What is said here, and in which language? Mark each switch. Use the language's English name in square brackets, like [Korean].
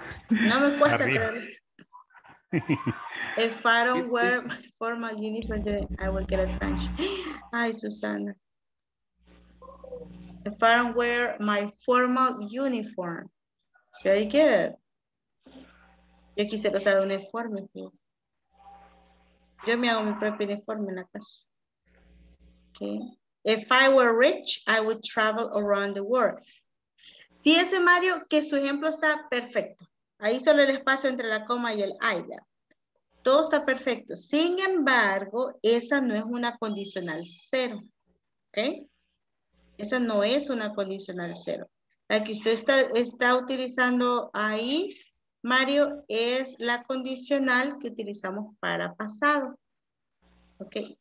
[Spanish] No me cuesta creerle. [English] If I don't wear my formal uniform, I will get a sanction. Ay, Susana. If I don't wear my formal uniform, very good. [Spanish] Yo quisiera usar un uniforme. Yo me hago mi propio uniforme en la casa. [English] Okay. If I were rich, I would travel around the world. [Spanish] Fíjese, Mario, que su ejemplo está perfecto. Ahí solo el espacio entre la coma y el aya. Todo está perfecto. Sin embargo, esa no es una condicional cero. ¿Ok? Esa no es una condicional cero. La que usted está utilizando ahí, Mario, es la condicional que utilizamos para pasado. ¿Ok?